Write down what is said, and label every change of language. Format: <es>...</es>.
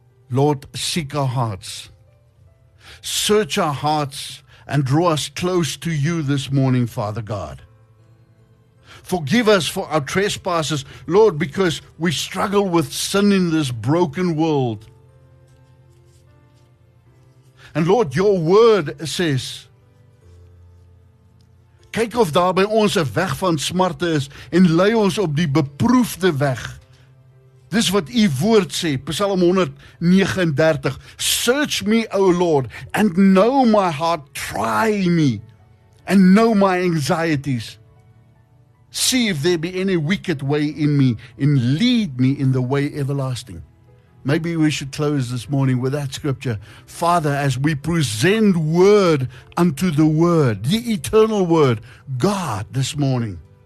<en>Lord, seek our hearts. Search our hearts and draw us close to You this morning, Father God. Forgive us for our trespasses, Lord, because we struggle with sin in this broken world. And Lord, Your word says,</en> <af>kyk of daar by ons 'n weg van smarte is en lei ons op die beproefde weg. Dis wat U woord sê, Psalm 139.</af> <en>Search me, O Lord, and know my heart. Try me and know my anxieties. See if there be any wicked way in me and lead me in the way everlasting. Maybe we should close this morning with that scripture. Father, as we present word unto the word, the eternal word, God, this morning.</en>